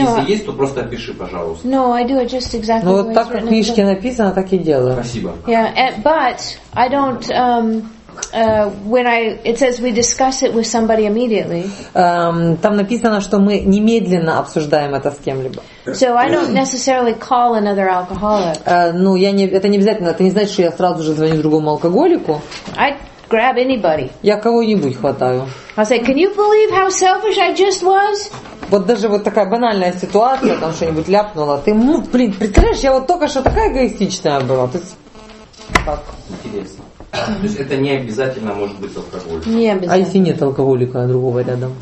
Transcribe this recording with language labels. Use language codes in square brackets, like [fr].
[ru] если есть, то просто опиши, пожалуйста. [en] No, I do it just exactly. [ru] Ну вот так, как в книжке написано, так и делаю. Спасибо. [en] Yeah, but I don't. When I it says we discuss it with somebody immediately. [ru] Там написано, что мы немедленно обсуждаем это с кем-либо. [en] So I don't necessarily call another alcoholic. [ru] Ну я не это не обязательно, это не значит, что я сразу же звоню другому алкоголику. [en] I grab anybody. [ru] Я кого-нибудь хватаю. [en] I say, can you believe how selfish I just was? [ru] Вот даже вот такая банальная ситуация, там что-нибудь ляпнула. Ты, ну, блин, представляешь, я вот только что такая эгоистичная была. То есть, так. Интересно. То есть это не обязательно может быть алкоголик. Не обязательно. А если нет алкоголика другого рядом?